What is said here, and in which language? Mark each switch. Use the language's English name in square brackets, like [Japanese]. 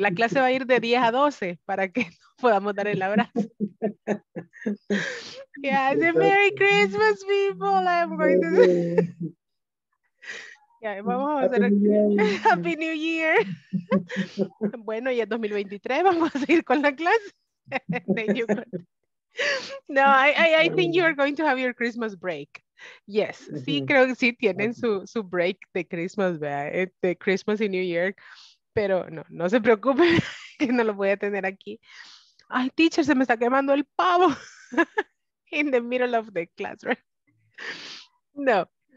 [Spanish] La clase va a ir de 10 a 12 para que podamos dar el abrazo. [English] Yeah, Merry Christmas, people. I'm going to. [Spanish] Yeah, vamos a hacer Happy New Year. Bueno, y en 2023 vamos a seguir con la clase. [English] No, I think you are going to have your Christmas break. [Spanish] Yes, sí, creo que sí tienen su break de Christmas, ¿verdad? De Christmas y New Year. Pero no se preocupen, que no lo voy a tener aquí. Ay, teacher, se me está quemando el pavo. [English] In the middle of the classroom. [Spanish] No.